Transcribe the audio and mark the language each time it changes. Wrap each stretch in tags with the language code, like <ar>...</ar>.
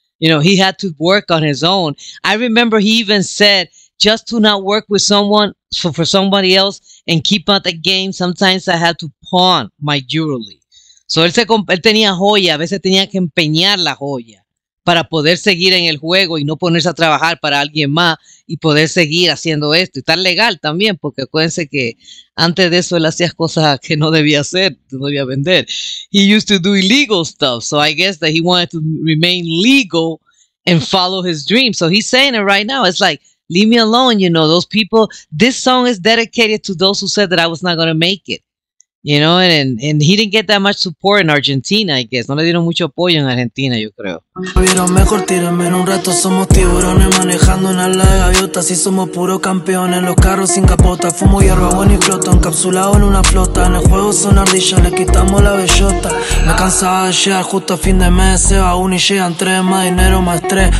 <en>You know, he had to work on his own. I remember he even said, just to not work with someone, so for somebody else, and keep at the game, sometimes I had to pawn my jewelry.</en> <es>So él tenía joya, a veces tenía que empeñar la joya para poder seguir en el juego y no ponerse a trabajar para alguien más y poder seguir haciendo esto. Y tan legal también, porque acuérdense que antes de eso él hacía cosas que no debía hacer, no debía vender.</es> <en>He used to do illegal stuff, so I guess that he wanted to remain legal and follow his dream. So he's saying it right now. It's like, leave me alone, you know, those people. This song is dedicated to those who said that I was not going to make it. You know, and he didn't get that much support in Argentina, I guess.</en> <es>No le dieron mucho apoyo en Argentina, yo creo. Vieron mejor, tírenme en un rato. Somos tiburones manejando una ala de gaviotas. Y somos puros campeones, los carros sin capota. Fumo hierba, bueno y floto, encapsulado en una flota. En el juego son ardillas, le quitamos la bellota. Me cansaba de llegar justo a fin de mes. Se va uno y llegan tres, más dinero, más tres.</es>